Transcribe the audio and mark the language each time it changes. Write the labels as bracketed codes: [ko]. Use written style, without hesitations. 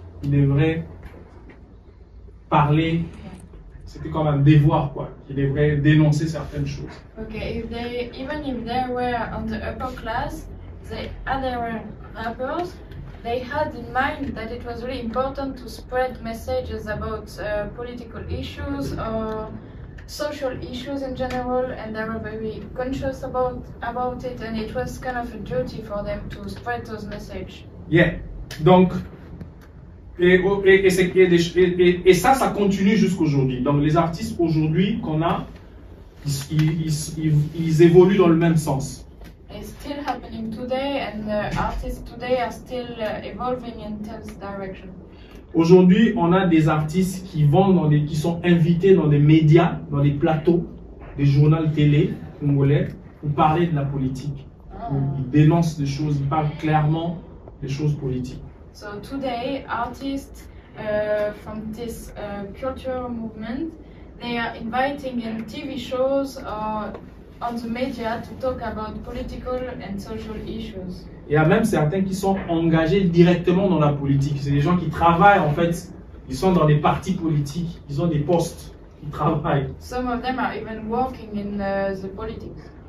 [fr] qu'il devrait parler. C'était comme un devoir, quoi, qu'il devrait dénoncer certaines choses. [en] Okay, if they, even if they were on the upper class, the other rappers, they had in mind that it was really important to spread messages about political issues or social issues in general, and they were very conscious about it, and it was kind of a duty for them to spread those messages. [fr] Yeah, donc. Et ça, ça continue jusqu'à aujourd'hui. Donc les artistes aujourd'hui qu'on a, ils évoluent dans le même sens. [en] It's still happening today, and the artists today are still evolving in terms of direction. [fr] Aujourd'hui, on a des artistes qui vont dans des, qui sont invités dans des médias, dans des plateaux, des journaux télé congolais, pour parler de la politique. Oh. Ils dénoncent des choses, ils parlent clairement des choses politiques. [en] So today, artists from this cultural movement, they are inviting in TV shows or on the media to talk about political and social issues. [fr] Il y a même certains qui sont engagés directement dans la politique. C'est des gens qui travaillent en fait. Ils sont dans des partis politiques. Ils ont des postes. Ils travaillent. [en] Some of them are even working in the politics.